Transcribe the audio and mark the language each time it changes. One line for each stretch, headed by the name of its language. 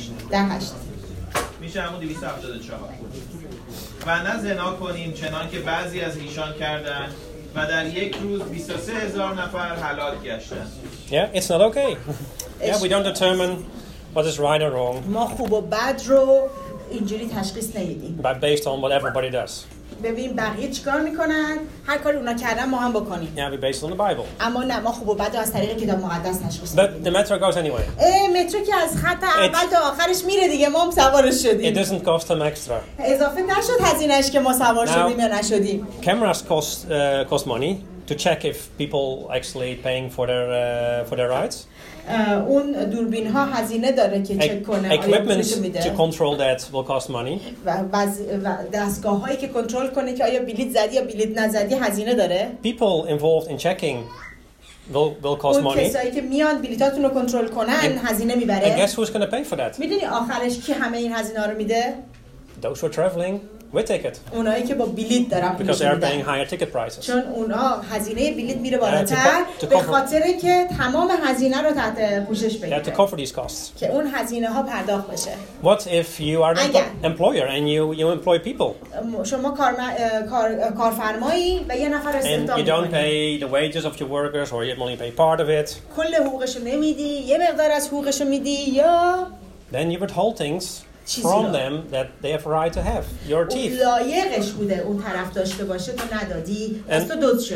Persian: ده هشت میشه همون 274 و نه زنا کنیم چنان که بعضی از ایشان کردن و در یک روز 23,000 نفر حلال گشتن.
English: Yeah, it's not okay. Yeah, we don't determine what is right or wrong.
Persian: ما خوب و بد رو اینجوری تشخیص نمیدیم.
English: But based on what everybody does.
Persian: ببین بقیه چیکار میکنن، هر کاری اونا کردن ما هم بکنیم.
English: Yeah, we based on the Bible.
Persian: اما نه، ما خوب و بد از طریق کتاب مقدس نشستیم.
English: But the metro goes anyway.
Persian: مترو که از خط اول تا آخرش میره دیگه، ما هم سوارش شدیم.
English: It doesn't cost them extra.
Persian: اضافه نشد هزینه‌اش که ما سوار شدیم یا نشدیم.
English: Cameras cost money to check if people actually paying for their rides.
Persian: اون دوربین ها هزینه داره که چک کنه.
English: Equipment to control that will cost money.
Persian: و دستگاه هایی که کنترل کنه که آیا بلیت زدی یا بلیت نزدی هزینه داره.
English: People involved in checking will cost money.
Persian: اون کسایی که میان بلیتاتون رو کنترل کنن هزینه میبره.
English: And guess who's going to pay for that?
Persian: میدونی آخرش کی همه این هزینه رو میده؟
English: Those who are traveling with ticket.
Persian: اونایی که با بلیت دارن.
English: Because they are paying higher ticket prices.
Persian: چون اونا هزینه بلیت میره بالاتر به خاطر اینکه تمام هزینه رو تحت پوشش بگیره.
English: To cover these costs.
Persian: که اون هزینه ها پرداخت بشه.
English: What if you are an employer and you employ people?
Persian: شما کارفرمایی و یه نفر استخدام می‌کنی.
English: And you don't pay the wages of your workers or you only pay part of it.
Persian: کل حقوقشو نمیدی، یه مقدار از حقوقشو میدی یا
English: Then you withhold things from them that they have a right to have your teeth.
Persian: لایقش بوده اون طرف داشته باشه تو ندادی از تو دزد شد.